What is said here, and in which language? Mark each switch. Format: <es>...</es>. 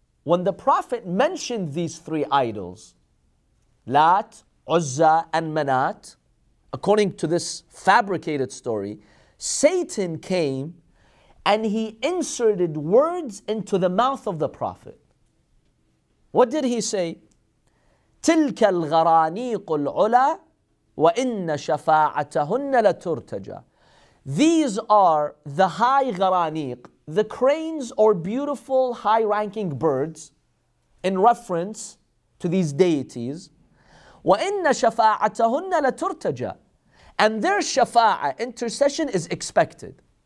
<en>when the Prophet mentioned these three idols, Lat, Uzza, and Manat, according to this fabricated story, Satan came and he inserted words into the mouth of the Prophet. What did he say?</en> <ar>تلك الغرانيق العلا وإن شفاعتهن لترتجى.</ar> <en>These are the high غرانيق, the cranes or beautiful high-ranking birds, in reference to these deities.</en> <ar>وإن شفاعتهن لترتجى.</ar> <en>And their shafa'ah, intercession, is expected.</en>